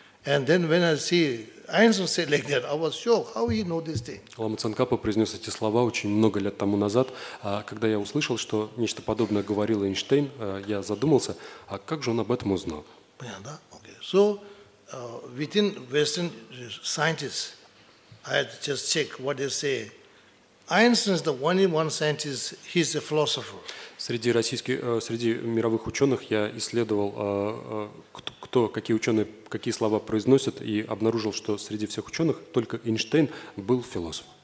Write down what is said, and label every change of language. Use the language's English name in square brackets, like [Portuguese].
[English] And then when I see Ainsa say like that, I was shocked. How he know this thing? [Russian] Лама Цанкапа произнес эти слова очень много лет тому назад, когда я услышал, что нечто подобное говорил Эйнштейн, я задумался, а как же он об этом узнал? Понятно, [English] okay. So within Western scientists, I had to just check what they say. Einstein is the only one scientist. He's a philosopher. [Russian] Среди российских, среди мировых ученых я исследовал, кто, какие ученые, какие слова произносят, и обнаружил, что среди всех ученых только Эйнштейн был философом.